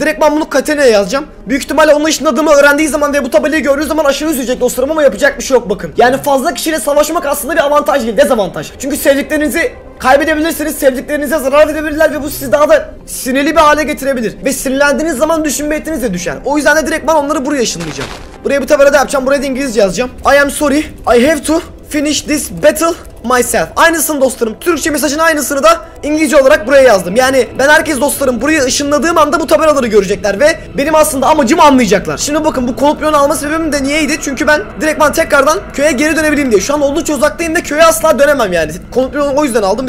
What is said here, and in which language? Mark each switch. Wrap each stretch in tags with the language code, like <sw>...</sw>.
<tr>Direkt ben bunu Katerina'ya yazacağım. Büyük ihtimalle onunla ışınladığımı öğrendiği zaman ve bu tabelayı gördüğü zaman aşırı üzülecek dostlarım, ama yapacak bir şey yok bakın. Yani fazla kişiyle savaşmak aslında bir avantaj değil. Dezavantaj. Çünkü sevdiklerinizi kaybedebilirsiniz, sevdiklerinize zarar edebilirler ve bu sizi daha da sinirli bir hale getirebilir. Ve sinirlendiğiniz zaman düşünme yetiniz de düşer. O yüzden de direkt ben onları buraya ışınlayacağım. Buraya bir tabela da yapacağım, buraya da İngilizce yazacağım.</tr> <en>I am sorry, I have to finish this battle myself.</en> <tr>Aynısını dostlarım, Türkçe mesajın aynısını da İngilizce olarak buraya yazdım. Yani ben herkes dostlarım buraya ışınladığım anda bu tabelaları görecekler ve benim aslında amacımı anlayacaklar. Şimdi bakın, bu kolopyonu alma sebebim de niyeydi? Çünkü ben direktman tekrardan köye geri dönebileyim diye. Şu an oldukça uzaktayım ve köye asla dönemem yani. Kolopyonu o yüzden aldım.</tr>